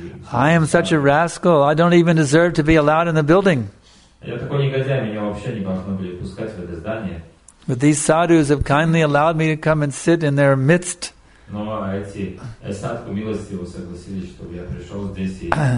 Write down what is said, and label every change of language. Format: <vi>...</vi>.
<en>I am such a rascal, I don't even deserve to be allowed in the building.</en> <ru>Я такой негодяй, меня вообще не должны были пускать в это здание.</ru> <en>But these sadhus have kindly allowed me to come and sit in their midst.</en> <ru>Но эти садху милостиво согласились, чтобы я пришел здесь и</ru>